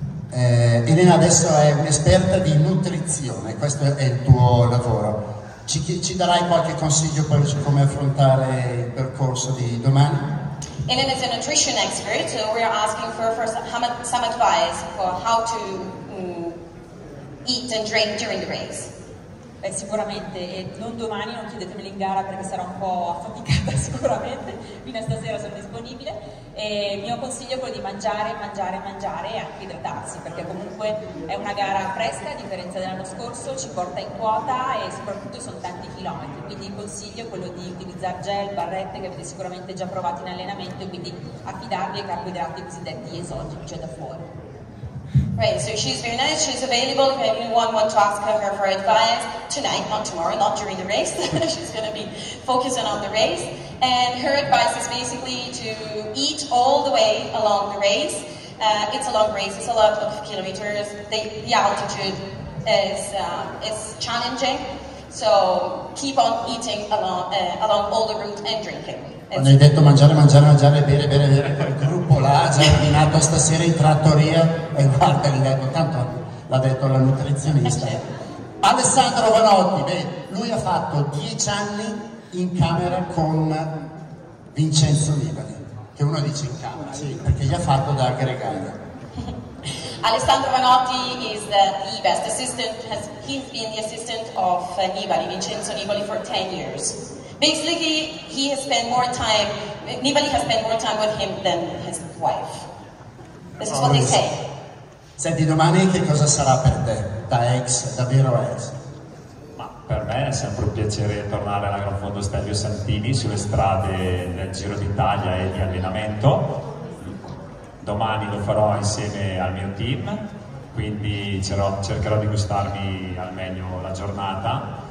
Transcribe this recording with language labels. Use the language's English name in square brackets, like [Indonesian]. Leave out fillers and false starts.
[Italian] Elena adesso è un'esperta di nutrizione, questo è il tuo lavoro. Ci darai qualche consiglio poi su come affrontare il percorso di domani? [English] Elena is a nutrition expert, so we are asking for some advice for how to eat and drink during the race. [Italian] Beh, sicuramente, e non domani, non chiedetemi in gara perché sarò un po' affaticata sicuramente, fino a stasera sono disponibile. E il mio consiglio è quello di mangiare e anche idratarsi, perché comunque è una gara fresca, a differenza dell'anno scorso, ci porta in quota e soprattutto sono tanti chilometri. Quindi il consiglio è quello di utilizzare gel, barrette che avete sicuramente già provato in allenamento, quindi affidarvi ai carboidrati cosiddetti esogeni, cioè da fuori. [English] Right, so she's very nice, she's available if anyone wants to ask her for advice tonight, not tomorrow, not during the race. She's going to be focusing on the race. And her advice is basically to eat all the way along the race. It's a long race, it's a lot of kilometers. The altitude is challenging. So keep on eating along all the route and drinking. [Italian] Quando hai detto mangiare, bere, quel gruppo là, già ordinato stasera in trattoria, e guarda, gli dico, tanto l'ha detto la nutrizionista. Alessandro Vanotti, lui ha fatto 10 anni in camera con Vincenzo Nibali, che uno dice in camera, sì, perché gli ha fatto da aggregare. [English] Alessandro Vanotti is the best assistant, he's been the assistant of Nibali, Vincenzo Nibali, for 10 years. Basically, he has spent more time, Nibali has spent more time with him than his wife. This is what they say. [Italian] Senti, domani che cosa sarà per te, da ex, da vero ex? Ma per me è sempre un piacere tornare alla Gran Fondo Stelvio Santini, sulle strade del Giro d'Italia e di allenamento. Domani lo farò insieme al mio team, quindi cercherò di gustarmi al meglio la giornata.